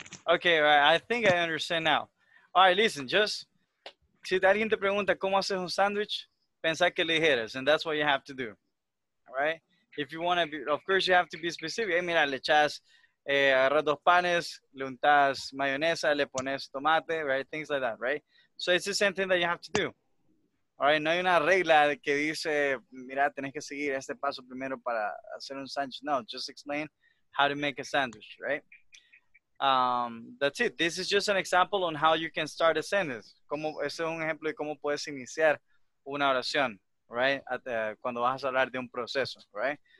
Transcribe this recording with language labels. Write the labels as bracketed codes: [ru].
[en] Okay, right. I think I understand now. All right, listen, just, [es] si alguien te pregunta cómo haces un sandwich, pensar que le dijeras, [en] and that's what you have to do, all right? If you want to be, of course, you have to be specific. Hey, [es] mira, le echas, agarras dos panes, le untas mayonesa, le pones tomate, [en] right? Things like that, right? So it's the same thing that you have to do. All right, [es] no hay una regla que dice, mira, tenés que seguir este paso primero para hacer un sandwich. [en] No, just explain how to make a sandwich, right? That's it. This is just an example on how you can start a sentence. [es] Como, ese es un ejemplo de cómo puedes iniciar una oración, right? Cuando vas a hablar de un proceso, right?